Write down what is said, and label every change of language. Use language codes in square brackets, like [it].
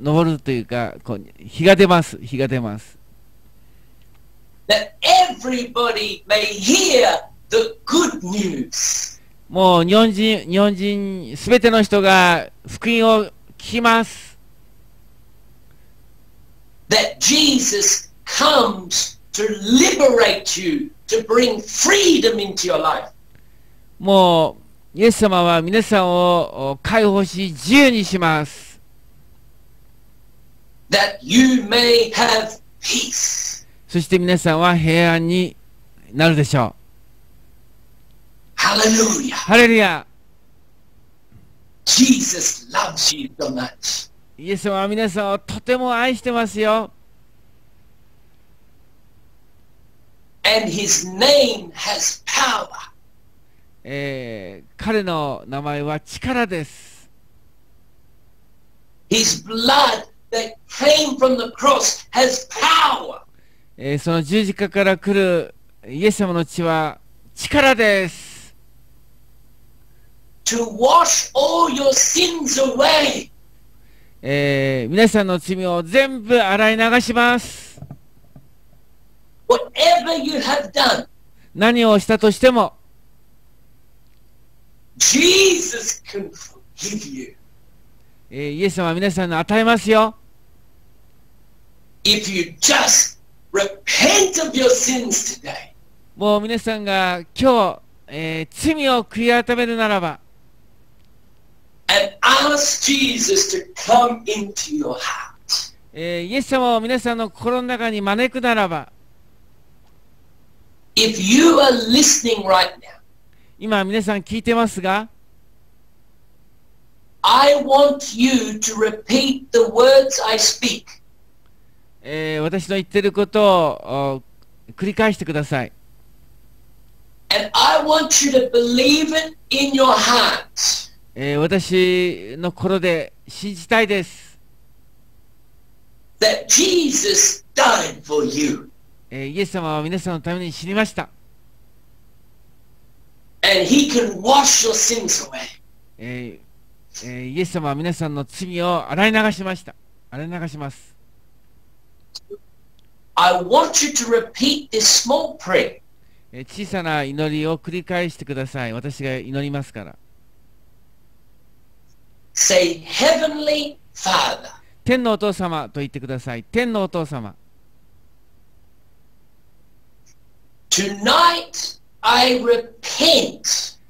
[ja] 昇るというか、こう日が出ます。日が出ます。 [en] That everybody may hear the good news. [ja] もう日本人すべての人が福音を聞きます。 [en] That Jesus comes to liberate you, to bring freedom into your life. [ja] もうイエス様は皆さんを解放し自由にします。 [en] That you may have peace. [ja] そして皆さんは平安になるでしょう。 [en] Hallelujah. [ja] ハレルヤ。 [en] Jesus loves you so much. [ja] イエス様は皆さんをとても愛してますよ。 [en] And his name has power. [ja] 彼の名前は力です。 [en] His bloodThat came from the cross has power. [ja] その十字架から来るイエス様の血は力です。 [en] To wash all your sins away. [ja] 皆さんの罪を全部洗い流します。 [en] Whatever you have done. [ja] 何をしたとしても。 [en] Jesus can forgive you. [ja] イエス様は皆さんに与えますよ。 [en] If you just repent of your sins today, [ja] もう皆さんが今日、罪を悔い改めるならば、 [en] and ask Jesus to come into your heart, [ja] イエス様を皆さんの心の中に招くならば、 [en] if you are listening right now, [ja] 今皆さん聞いてますが、 [en] I want you to repeat the words I speak. [ja] 私の言ってることを繰り返してください。 [en] And I want you to believe it in your heart. [ja] 私の心で信じたいです。 [en] That Jesus died for you. [ja] イエス様は皆さんのために死にました。 [en] And he can wash your sins away. [ja] イエス様は皆さんの罪を洗い流しました。洗い流します。 [en] I want you to repeat this small prayer. [ja] 小さな祈りを繰り返してください。私が祈りますから。 [en] Say, Heavenly Father. [ja] 天のお父様と言ってください。天のお父様。 [en] Tonight I repent.